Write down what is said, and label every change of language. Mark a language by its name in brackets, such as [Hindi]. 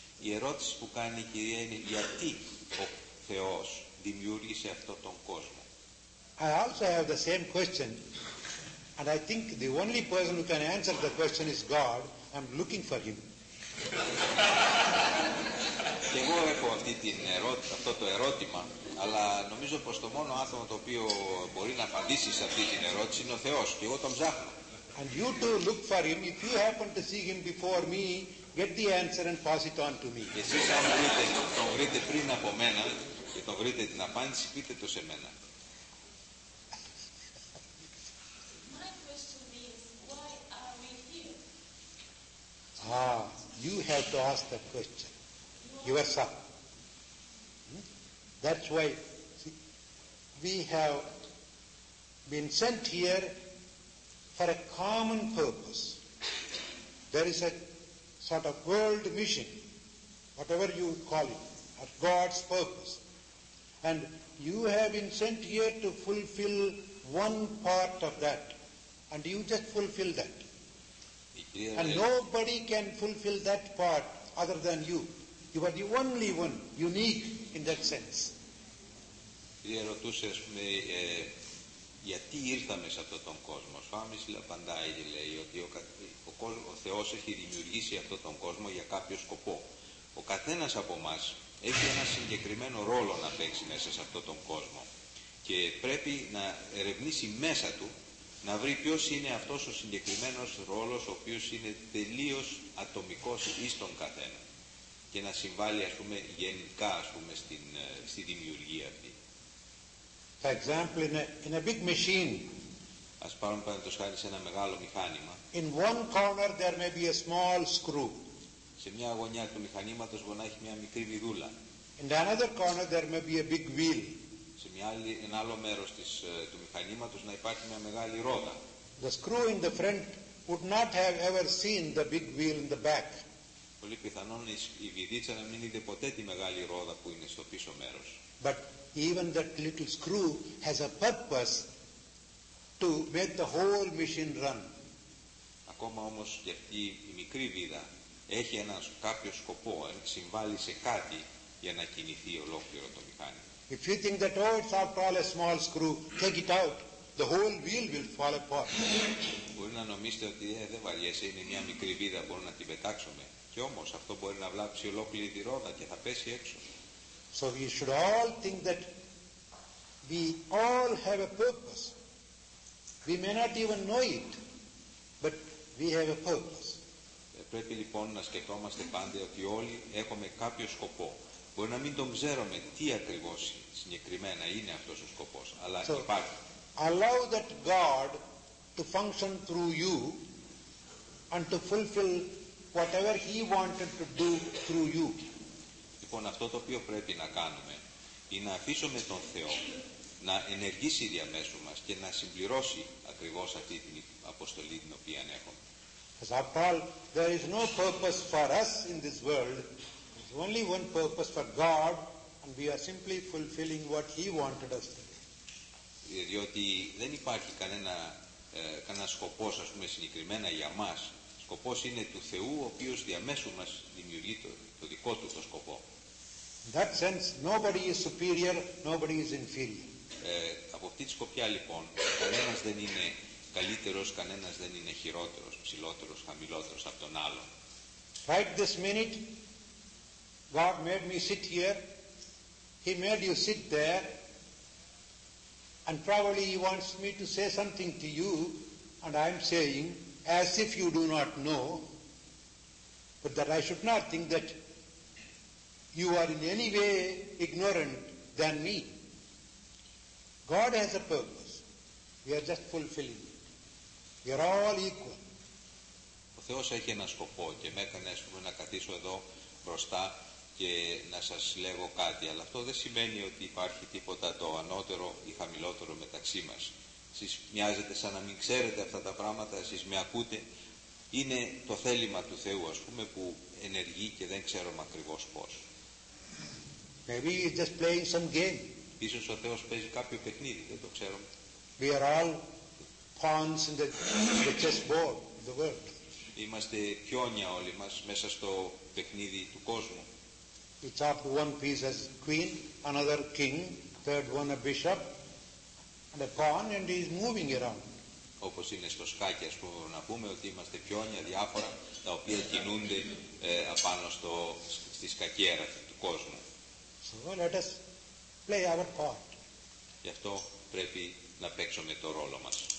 [Greek] Η ερώτηση που κάνει η κυρία είναι γιατί ο Θεός δημιούργησε αυτό τον κόσμο. [English] I also have the same question and I think the only person who can answer the question is God. I'm looking for him. Και εγώ έχω αυτή την ερώτηση, αυτό το ερώτημα, αλλά νομίζω πως το μόνο άτομο το οποίο μπορεί να απαντήσει σε αυτή την ερώτηση είναι ο Θεός και εγώ τον ψάχνω. And you too look for him. If you happen to see him before me, get the answer and pass it on to me. Εσείς αν τον βρείτε πριν από μένα και τον βρείτε την απάντηση, πείτε το σε μένα. My question is, why are we here? Ah, you have to ask that question. Yourself. That's why, see, we have been sent here for a common purpose. There is a sort of world mission, whatever you would call it, at God's purpose. And you have been sent here to fulfill one part of that. And you just fulfill that. Yeah. And nobody can fulfill that part other than you. You are the only one, unique in that sense. [Greek] Κύριε ρωτούσε, ας πούμε, γιατί ήρθαμε σε αυτόν τον κόσμο. Σφάμις απαντάει, λέει, ότι ο Θεός έχει δημιουργήσει αυτόν τον κόσμο για κάποιο σκοπό. Ο καθένας από μας έχει ένα συγκεκριμένο ρόλο να παίξει μέσα σε αυτόν τον κόσμο και πρέπει να ερευνήσει μέσα του να βρει ποιος είναι αυτός ο συγκεκριμένος ρόλος ο οποίος είναι τελείως ατομικός εις τον καθένα και να συμβάλλει, ας πούμε, γενικά, ας πούμε, στη δημιουργία αυτή. [English] For example, in a big machine, [Greek] ας πάρουμε παραδείγματος χάρη σε ένα μεγάλο μηχάνημα, [English] in one corner there may be a small screw. [Greek] Σε μια γωνιά του μηχανήματος μπορεί να έχει μια μικρή βιδούλα. [English] In another corner there may be a big wheel. [Greek] Σε ένα άλλο μέρος του μηχανήματος να υπάρχει μια μεγάλη ρόδα. [English] The screw in the front would not have ever seen the big wheel in the back. [Greek] Πολύ πιθανόν η βιδίτσα να μην είδε ποτέ τη μεγάλη ρόδα που είναι στο πίσω μέρος. [English] But even that little screw has a purpose to make the whole machine run. [Greek] Ακόμα όμως και αυτή η μικρή βίδα έχει ένα κάποιο σκοπό, συμβάλλει σε κάτι για να κινηθεί ολόκληρο το μηχάνημα. [English] If you think that, oh, it's after all a small screw, take it out, the whole wheel will fall apart. [Greek] Μπορεί να νομίζετε ότι δεν βαριέσαι, είναι μια μικρή βίδα, μπορώ να την πετάξουμε. Και όμως αυτό μπορεί να βλάψει ολόκληρη τη ρόδα και θα πέσει έξω. [English] So we should all think that we all have a purpose. We may not even know it, but we have a purpose. [Greek] Πρέπει λοιπόν να σκεφτόμαστε πάντα ότι όλοι έχουμε κάποιο σκοπό. Μπορεί να μην τον ξέρουμε τι ακριβώς συγκεκριμένα είναι αυτός ο σκοπός, αλλά υπάρχει. [English] Allow that God to function through you and to fulfill whatever He wanted to do through you. [Greek] Λοιπόν, αυτό το οποίο πρέπει να κάνουμε είναι να αφήσουμε τον Θεό να ενεργήσει διαμέσου μας και να συμπληρώσει ακριβώς αυτή την αποστολή την οποία έχουμε. [English] As after all, there is no purpose for us in this world. There is only one purpose for God and we are simply fulfilling what He wanted us to do. [Greek] Διότι δεν υπάρχει κανένα σκοπός, ας πούμε, συγκεκριμένα για μας. Σκοπός είναι του Θεού, ο οποίος διαμέσου μας δημιουργεί το δικό του το σκοπό. [English] In that sense, nobody is superior, nobody is inferior. [Greek] Από αυτή τη σκοπιά λοιπόν, κανένας δεν είναι καλύτερος, κανένας δεν είναι χειρότερος, ψηλότερος, χαμηλότερος από τον άλλον. [English] Right this minute, God made me sit here. He made you sit there. And probably he wants me to say something to you, and I am saying, as if you do not know, but that I should not think that you are in any way ignorant than me. God has a purpose. We are just fulfilling it. We are all equal. [Greek] Ο Θεός έχει ένα σκοπό και με έκανε, ας πούμε, να καθίσω εδώ μπροστά και να σας λέγω κάτι. Αλλά αυτό δεν σημαίνει ότι υπάρχει τίποτα το ανώτερο ή χαμηλότερο μεταξύ μας. Εσείς μοιάζετε σαν να μην ξέρετε αυτά τα πράγματα, εσείς με ακούτε. Είναι το θέλημα του Θεού, ας πούμε, που ενεργεί και δεν ξέρουμε ακριβώς πώς. [English] Maybe he's just playing some game. [Greek] Ίσως ο Θεός παίζει κάποιο παιχνίδι, δεν το ξέρουμε. [English] We are all pawns in the chessboard of the world. [Greek] Είμαστε πιόνια όλοι μας μέσα στο παιχνίδι του κόσμου. [English] It's up one piece as queen, another king, third one a bishop, and a pawn, and he's moving around. [Greek] Όπως είναι στο σκάκι, ας πούμε, να πούμε ότι είμαστε πιόνια διάφορα, τα οποία κινούνται απάνω στη σκακέρα του κόσμου. [English] So let us play our part. [Greek] Γι' αυτό πρέπει να παίξουμε το ρόλο μας.